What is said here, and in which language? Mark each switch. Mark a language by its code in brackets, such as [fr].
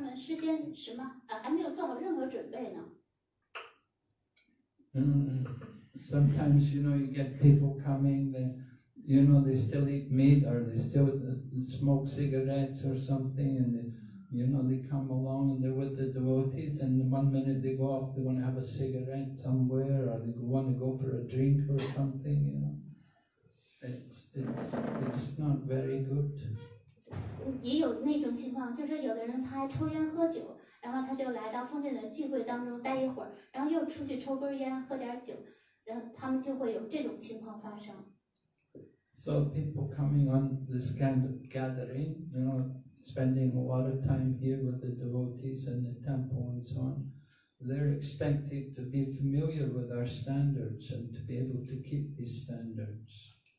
[zh] 你就应该告他应该怎么做，然后他们就在一无所知的情况下，他们就很草率的就做出决定，因为他们事先什么还没有做好任何准备呢。 [en] Sometimes you know you get people coming, they still eat meat or they still smoke cigarettes or something, and they come along and they're with the devotees, and one minute they go off, they want to have a cigarette somewhere, or they want to go for a drink or something, you know. It's not very good. [zh] 也有那种情况，就是有的人他还抽烟喝酒，然后他就来到奉献的聚会当中待一会儿，然后又出去抽根烟喝点酒，然后他们就会有这种情况发生。 [en] So people coming on this kind of gathering, you know, spending a lot of time here with the devotees and the temple and so on, they're expected to be familiar with our standards and to be able to keep these standards.